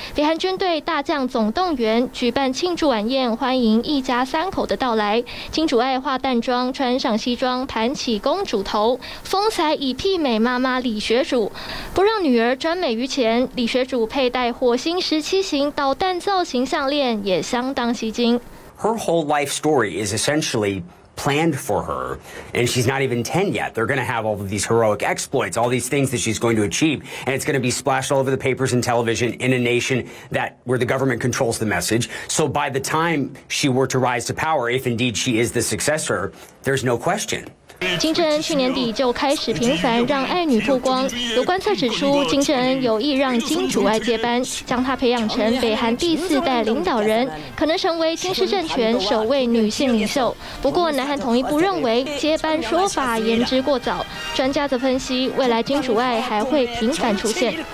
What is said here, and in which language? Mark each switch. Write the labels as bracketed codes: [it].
[zh] 北韩军队大将总动员，举办庆祝晚宴，欢迎一家三口的到来。金主爱化淡妆，穿上西装，盘起公主头，风采已媲美妈妈李学主。不让女儿专美于前，李学主佩戴火星17型导弹造型项链也相当吸睛。 [en] Her whole life story is essentially planned for her, and she's not even 10 yet. They're going to have all of these heroic exploits, all these things that she's going to achieve, and it's going to be splashed all over the papers and television in a nation that where the government controls the message. So by the time she were to rise to power, if indeed she is the successor, there's no question. [zh] 金正恩去年底就开始频繁让爱女曝光，有观测指出金正恩有意让金主爱接班，将她培养成北韩第四代领导人，可能成为金氏政权首位女性领袖。不过南韩统一部认为接班说法言之过早，专家则分析未来金主爱还会频繁出现。